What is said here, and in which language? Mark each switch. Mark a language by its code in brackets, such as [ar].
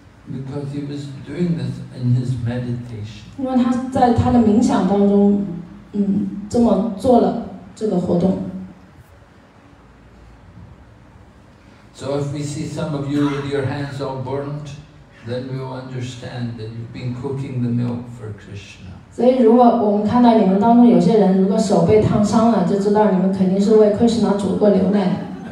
[en] Because he was doing this in his meditation. [zh] 因为他在他的冥想当中，这么做了这个活动。 [en] So if we see some of you with your hands all burnt, then we will understand that you've been cooking the milk for Krishna. [zh] 所以如果我们看到你们当中有些人如果手被烫伤了，就知道你们肯定是为 Krishna 煮过牛奶。